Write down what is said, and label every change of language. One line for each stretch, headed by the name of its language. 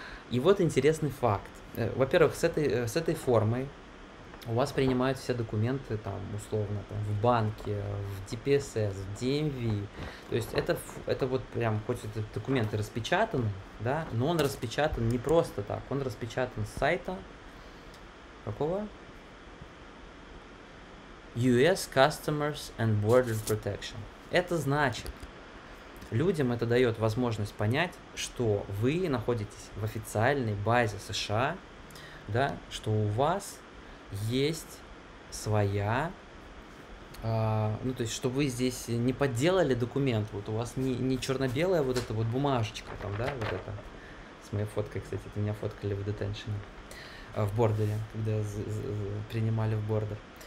Russian: И вот интересный факт. Во-первых, с этой формой у вас принимают все документы, там, условно, там, в банке, в DPSS, в DMV. То есть это вот прям, хоть этот документ и распечатан, да, но он распечатан не просто так. Он распечатан с сайта какого?
English: US Customs and Border Protection.
Russian: Это значит, людям это дает возможность понять, что вы находитесь в официальной базе США, да, что у вас есть своя, ну, то есть, что вы здесь не подделали документ, вот у вас не черно-белая вот эта вот бумажечка там, да, вот это, с моей фоткой, кстати, это меня фоткали в детеншене, в бордере, когда принимали в бордер.